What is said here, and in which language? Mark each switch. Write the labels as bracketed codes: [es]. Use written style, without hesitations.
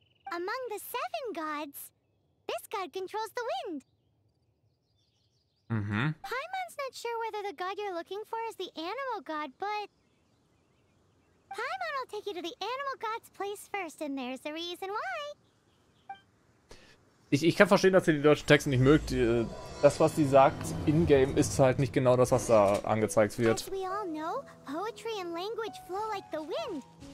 [en] Among the seven gods, this god controls the wind. Mhm. Paimon's not sure whether the god you're looking for is the animal god, but Paimon will take you to the animal god's place first, and there's the reason why. [de] Ich kann verstehen, dass ihr die deutschen Texte nicht mögt. Das, was sie sagt in-game, ist halt nicht genau das, was da angezeigt wird. [en] As we all know, poetry and language flow like the wind.